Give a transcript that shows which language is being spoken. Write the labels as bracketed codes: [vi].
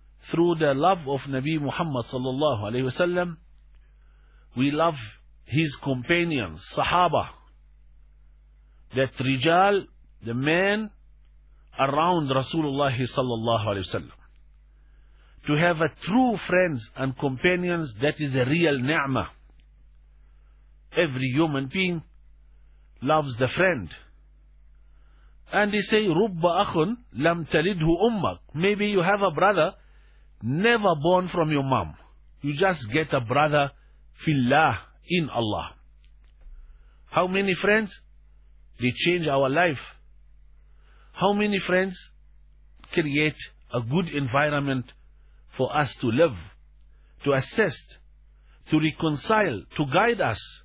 [en] Through the love of Nabi Muhammad sallallahu alayhi wasallam, we love his companions, Sahaba, that Rijal, the man around Rasulullah sallallahu alayhi wasallam. To have a true friends and companions, that is a real ni'mah. Every human being loves the friend. And they say, [ar] رُبَّ أَخٌ لَمْ تَلِدْهُ أُمَّكْ. [en] Maybe you have a brother never born from your mom. You just get a brother [ar] فِي اللَّهِ, [en] in Allah. How many friends? They change our life. How many friends create a good environment for us to live, to assist, to reconcile, to guide us?